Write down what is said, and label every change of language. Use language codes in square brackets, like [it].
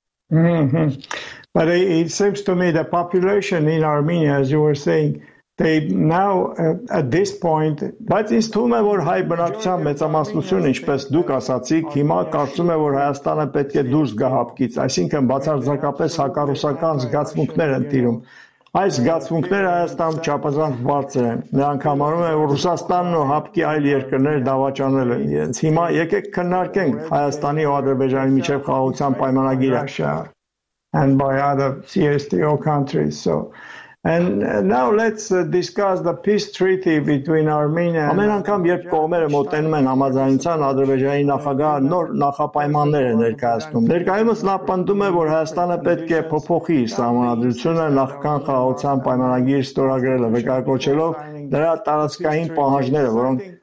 [en] But it seems to me the population in Armenia, as you were saying, they now at this point, [hy] բայց ինձ թվում է, որ հայ բնակչության մեծամասնությունը, ինչպես դուք ասացիք, հիմա կարծում է, որ Հայաստանը պետք է դուրս գա հապկից, այսինքն բացարձակապես հակառուսական զգացմունքներ են տիրում։ Այս զգացմունքները Հայաստանում չափազանց բարձր են, նրանք համարում են, որ Ռուսաստանն ու հապկի այլ երկրները դավաճանել են իրենց։ Հիմա եկեք քննարկենք Հայաստանի ու Ադրբեջանի միջև խաղաղության պայմանագիրը, [en] and by other CSTO countries. So, and now let's discuss the peace treaty between Armenia. [hy] Ամեն անգամ, երբ կողմերը մոտենում են համաձայնության, Ադրբեջանի նախագահը նոր նախապայմաններ է ներկայացնում։ Ներկայումս նա պնդում է, որ Հայաստանը պետք է փոփոխի սահմանադրությունը նախքան խաղաղության պայմանագիր ստորագրելը, վկայակոչելով նրա տարածքային պահանջները, որոնք